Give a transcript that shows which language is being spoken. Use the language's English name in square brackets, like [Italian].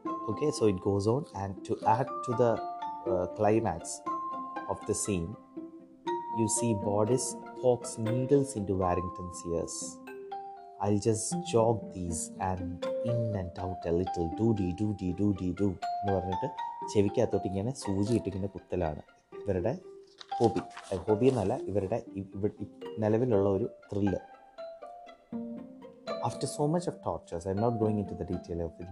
[English] Okay, so it goes on, and to add to the climax of the scene, you see Bodice pokes needles into Warrington's ears. I'll just jog these and in and out a little. Doody, doody, doody, do. [Malayalam] എന്ന് പറഞ്ഞിട്ട് ചെവിക്ക് അകത്തോട്ട് ഇങ്ങനെ സൂചി ഇട്ടിങ്ങനെ കുത്തലാണ് ഇവരുടെ hobby. Hobby എന്നല്ല, ഇവരുടെ നിലവിലുള്ള ഒരു thrill. [English] After so much of tortures, I'm not going into the detail of it.